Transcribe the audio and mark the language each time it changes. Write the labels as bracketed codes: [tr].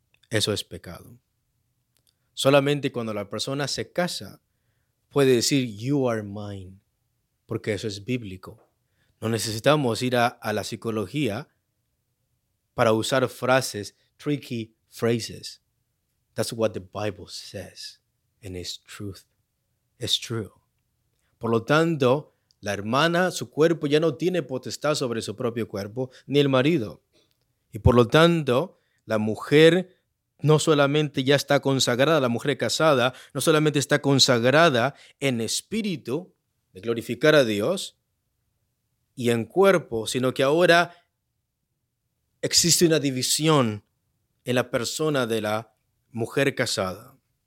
[es] Eso es pecado. Solamente cuando la persona se casa puede decir, [en] you are mine, [es] porque eso es bíblico. No necesitamos ir a la psicología para usar frases, [en] tricky phrases. That's what the Bible says, and it's truth. It's true. [es] Por lo tanto, la hermana, su cuerpo ya no tiene potestad sobre su propio cuerpo, ni el marido. Y por lo tanto, la mujer no solamente ya está consagrada, la mujer casada, no solamente está consagrada en espíritu de glorificar a Dios y en cuerpo, sino que ahora existe una división en la persona de la mujer casada.